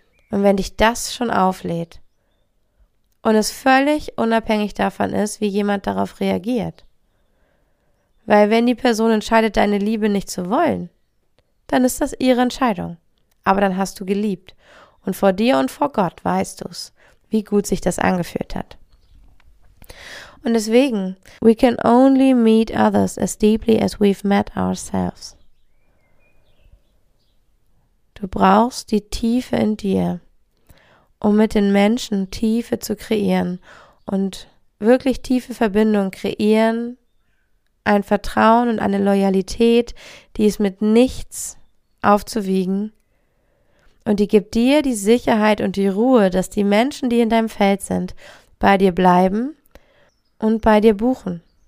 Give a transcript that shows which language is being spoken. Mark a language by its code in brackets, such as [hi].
[de] Und wenn dich das schon auflädt und es völlig unabhängig davon ist, wie jemand darauf reagiert, Weil wenn die Person entscheidet, deine Liebe nicht zu wollen, dann ist das ihre Entscheidung. Aber dann hast du geliebt. Und vor dir und vor Gott weißt du's, wie gut sich das angefühlt hat. Und deswegen, [en] we can only meet others as deeply as we've met ourselves. [de] Du brauchst die Tiefe in dir, um mit den Menschen Tiefe zu kreieren und wirklich tiefe Verbindungen kreieren, ein Vertrauen und eine Loyalität, die ist mit nichts aufzuwiegen und die gibt dir die Sicherheit und die Ruhe, dass die Menschen, die in deinem Feld sind, bei dir bleiben und bei dir buchen.